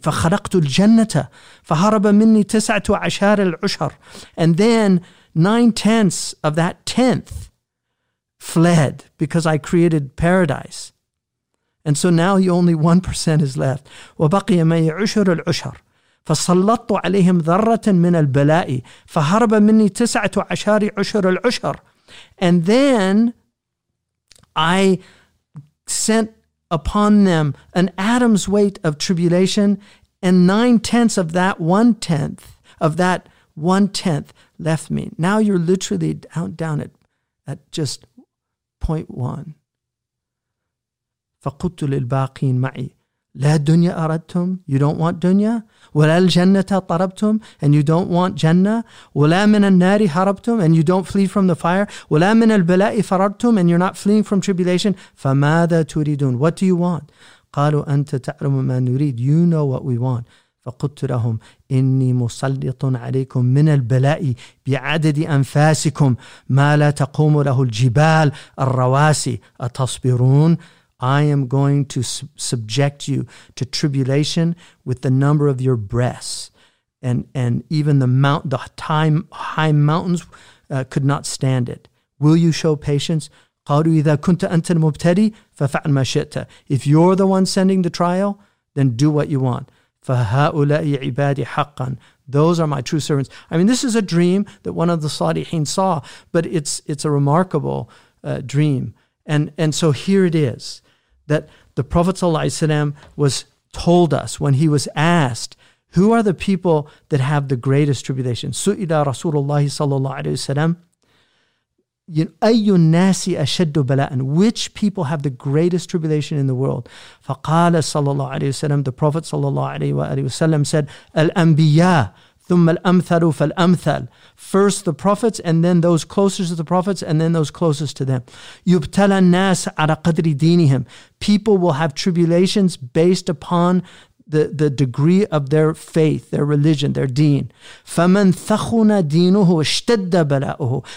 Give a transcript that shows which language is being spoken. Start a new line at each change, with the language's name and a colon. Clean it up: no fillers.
Arabic: فَخَلَقْتُ الْجَنَّةَ فَهَرَبَ مِنِّي تِسْعَةُ عَشَارِ الْعُشَرِ.
English: And then 9/10 of that 10th fled because I created paradise. And so now you only 1% is left.
Arabic: وَبَقِيَ مَعْيَ عُشَرُ الْعُشَرِ. فصلت عليهم ذرة من البلاء فهرب مني تسعة عشر عشر العشر.
English: And then I sent upon them an atom's weight of tribulation, and 9/10 of that 1/10 of that 1/10 left me. Now you're literally down at just 0.1.
Arabic: فقلت للباقين معي لا دنيا أردتم.
English: You don't want dunya.
Arabic: ولا الجنة طربتم.
English: And you don't want Jannah.
Arabic: ولا من النار هربتم.
English: And you don't flee from the fire.
Arabic: ولا من البلاء فررتم.
English: And you're not fleeing from tribulation.
Arabic: فماذا تريدون.
English: What do you want?
Arabic: قالوا أنت تعلم ما نريد.
English: You know what we want.
Arabic: فقلت لهم إني مسلط عليكم من البلاء بعدد أنفاسكم ما لا تقوم له الجبال الرواسي أتصبرون.
English: I am going to subject you to tribulation with the number of your breasts. And even the high mountains could not stand it. Will you show patience?
Arabic: قَالُوا إِذَا كُنْتَ أَنْتَ الْمُبْتَدِي فَفَعْلْ مَا شِئْتَ.
English: If you're the one sending the trial, then do what you want.
Arabic: فَهَؤُلَاءِ عِبَادِ حَقًّا.
English: Those are my true servants. I mean, this is a dream that one of the Salihin saw, but it's a remarkable dream. And so here it is, that the Prophet ﷺ was told us when he was asked, who are the people that have the greatest tribulation?
Arabic: سُئِلَ رَسُولُ اللَّهِ صَلَّى اللَّهُ عَلَيْهِ وَسَلَّمَ أَيُّ النَّاسِ أَشَدُّ بَلَاءً.
English: Which people have the greatest tribulation in the world?
Arabic: فَقَالَ صَلَّى اللَّهُ عَلَيْهِ وَسَلَّمَ.
English: The Prophet ﷺ said,
Arabic: الْأَنْبِيَاءُ ثُمَّ الْأَمْثَلُ فَالْأَمْثَلُ.
English: First the prophets, and then those closest to the prophets, and then those closest to them.
Arabic: يُبْتَلَى النَّاسَ عَلَى قَدْرِ دِينِهِمْ.
English: People will have tribulations based upon the degree of their faith, their religion, their deen.
Arabic: فَمَنْ ثَخُنَ دِينُهُ اشْتَدَّ بَلَاؤُهُ.